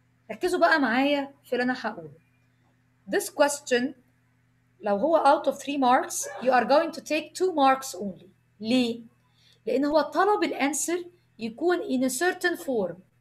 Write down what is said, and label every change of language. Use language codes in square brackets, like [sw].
[ar] ركزوا بقى معايا في اللي انا هقوله. [en] This question, [ar] لو هو [en] out of 3 marks, you are going to take 2 marks only. [ar] ليه؟ لأن هو طلب الانسر يكون [en] in a certain form.